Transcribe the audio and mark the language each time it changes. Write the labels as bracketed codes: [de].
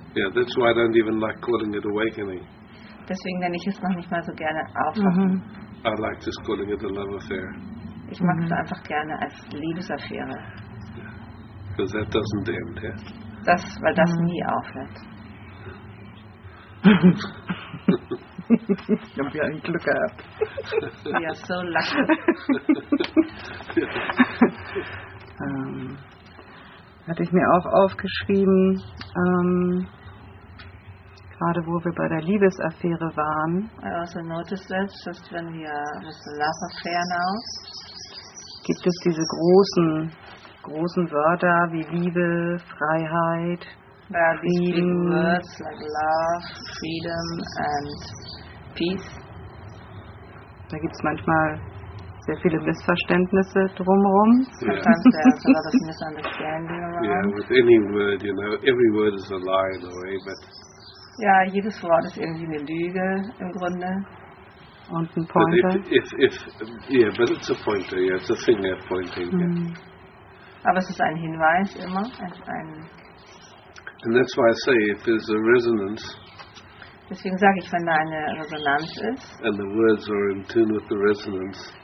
[en] Yeah, that's why I don't even like calling it awakening. [de] Deswegen nenne ich es noch nicht mal so gerne Aufwachen. [en] I like just calling it a love affair. [de] Ich mag es einfach gerne als Liebesaffäre. [en] Because that doesn't end, yeah? [de] Das, weil das nie aufhört. Ich habe ja ein Glück gehabt. [en] We are so lucky. [de] Hatte ich mir auch aufgeschrieben, gerade wo wir bei der Liebesaffäre waren. [en] I also noticed that just when we are with the love affair now. [de] Gibt es diese großen Wörter wie Liebe, Freiheit, Frieden, [en] words like love, freedom and peace. [de] Da gibt es manchmal sehr viele Missverständnisse drumherum. [en] Sometimes there's a lot of misunderstanding around. Yeah, with any word, you know, every word is a lie in a way, but... [de] Ja, jedes Wort ist irgendwie eine Lüge im Grunde. Und ein Pointer. [en] But it's a pointer, yeah, it's a finger pointing. Mm. [de] Aber es ist ein Hinweis immer, als ein... [en] And that's why I say, if there's a resonance... [de] Deswegen sage ich, wenn da eine Resonanz ist... [en] And the words are in tune with the resonance...